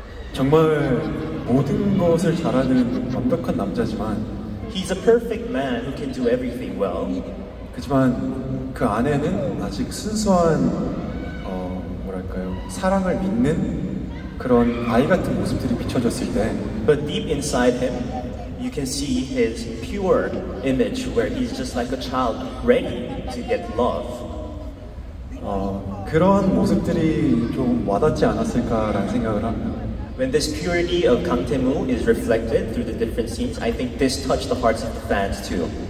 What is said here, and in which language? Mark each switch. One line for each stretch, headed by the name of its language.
Korean: 정말 모든 것을 잘하는 완벽한 남자지만
English: He's a perfect man who can do everything well.
Korean: 하지만 그 안에는 아직 순수한 뭐랄까요 사랑을 믿는 그런 아이 같은 모습들이 비춰졌을 때
English: But deep inside him, you can see his pure image where he's just like a child ready to get love.
Korean: 그런 모습들이 좀 와닿지 않았을까라는 생각을 합니다.
English: When this purity of Kang Tae-mo is reflected through the different scenes, I think this touched the hearts of the fans too.